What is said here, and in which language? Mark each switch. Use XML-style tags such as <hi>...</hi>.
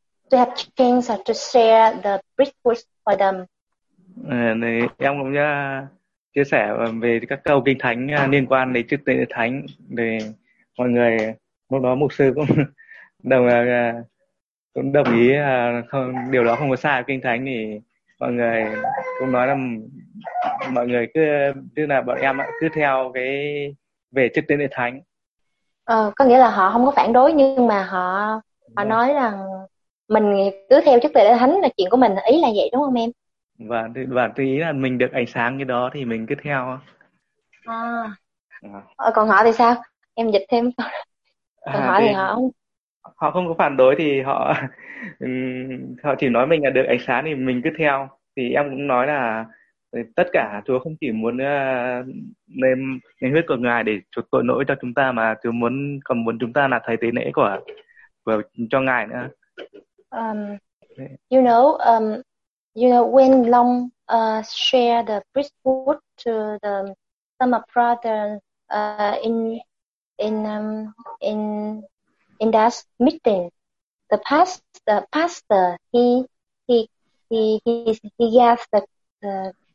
<en>To have change or to share the breakfast for them.</en> <vi>Này em cũng chia sẻ về các câu kinh thánh liên quan đến chức tế thánh để mọi người lúc đó mục sư cũng đồng ý không điều đó không có sai kinh thánh thì mọi người cũng nói là mọi người cứ tức là bọn em cứ theo cái về chức tế thánh. Có nghĩa là họ không có phản đối nhưng mà họ nói rằng mình cứ theo chức tế lễ thánh là chuyện của mình, ý là vậy đúng không em? Và tôi ý là mình được ánh sáng như đó thì mình cứ theo. Còn họ thì sao? Em dịch thêm. Họ không có phản đối thì họ họ chỉ nói mình là được ánh sáng thì mình cứ theo. Thì em cũng nói là tất cả Chúa không chỉ muốn nên huyết của Ngài để chuộc tội lỗi cho chúng ta mà Chúa còn muốn chúng ta là thầy tế lễ của cho Ngài nữa.</vi> <en>You know when Long share the priesthood to the some brother in that meeting, the pastor he gave the</en>